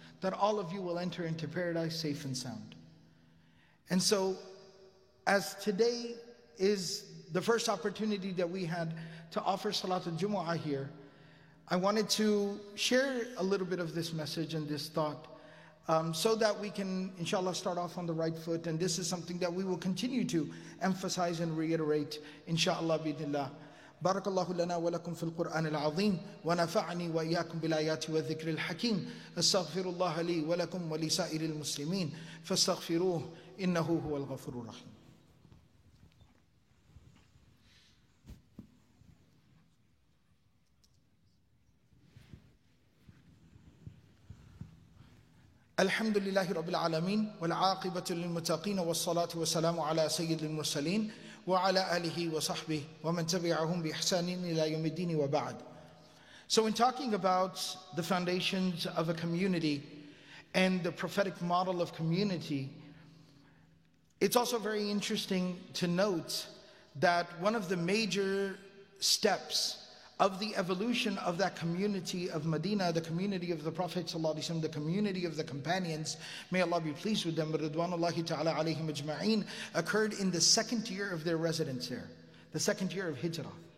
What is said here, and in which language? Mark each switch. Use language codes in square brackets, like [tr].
[en] That all of you will enter into paradise safe and sound. And so, as today is the first opportunity that we had to offer Salat al-Jumu'ah here, I wanted to share a little bit of this message and this thought, so that we can, inshallah, start off on the right foot. And this is something that we will continue to emphasize and reiterate, inshallah, bidillah. [ar] بارك الله لنا ولكم في القرآن العظيم ونفعني وإياكم بالآيات والذكر الحكيم استغفر الله لي ولكم ولسائر المسلمين فاستغفروه إنه هو الغفور الرحيم. الحمد لله رب العالمين والعاقبة للمتقين والصلاة والسلام على سيد المرسلين وعلى آله وصحبه ومن تبعهم بإحسان إلى يوم الدين وبعد. [en] So in talking about the foundations of a community and the prophetic model of community, it's also very interesting to note that one of the major steps of the evolution of that community of Medina, the community of the Prophet ﷺ, the community of the companions, may Allah be pleased with them, ridwanullahi ta'ala alayhim ajma'een, occurred in the second year of their residence there, the second year of Hijrah.